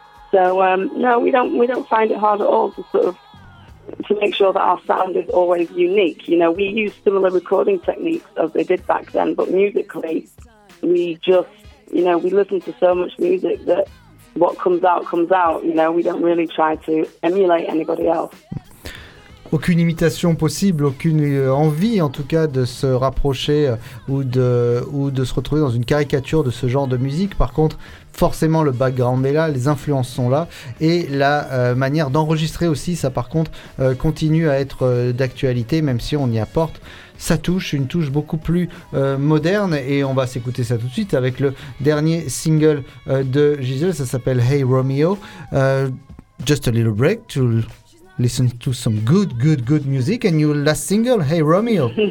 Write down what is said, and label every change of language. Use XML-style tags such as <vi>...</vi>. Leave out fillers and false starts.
<en>So no, we don't find it hard at all to sort of to make sure that our sound is always unique. You know, we use similar recording techniques as they did back then, but musically, we just, you know, we listen to so much music that what comes out, you know, we don't really try to emulate anybody else.</en> <fr>Aucune imitation possible, aucune envie en tout cas de se rapprocher ou de se retrouver dans une caricature de ce genre de musique. Par contre, forcément le background est là, les influences sont là et la manière d'enregistrer aussi, ça par contre continue à être d'actualité, même si on y apporte sa touche, une touche beaucoup plus moderne. Et on va s'écouter ça tout de suite avec le dernier single de Gisèle, ça s'appelle Hey Romeo.</fr> <en>Just a little break to listen to some good, good, good music, and your last single, Hey Romeo.</en>